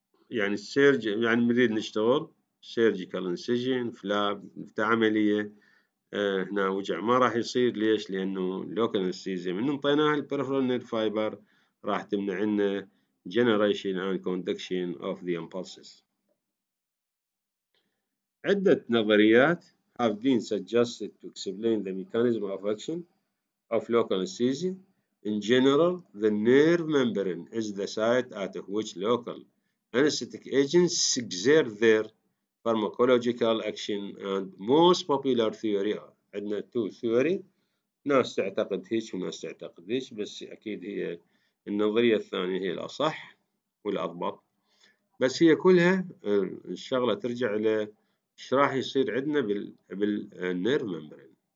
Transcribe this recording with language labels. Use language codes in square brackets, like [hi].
[ar] يعني سيرج يعني مريد نشتغل [en] surgical incision flap [ar] في عملية هنا وجع ما راح يصير ليش لانه لوكال انستيزيا من انطيناها البريفيرال نير فايبر راح تمنع لنا [en] generation and conduction of the impulses. [ar] عدة نظريات [en] have been suggested to explain the mechanism of action of local anesthesia. In general, the nerve membrane is the site at which local anesthetic agents exert their pharmacological action and most popular theory are. [ar] عندنا [en] two theory. [ar] ناس تعتقد هيش وناس تعتقد هيش بس أكيد هي النظرية الثانية هي الأصح والأضبط بس هي كلها الشغلة ترجع إلى إيش راح يصير عندنا بالنير ممبرين.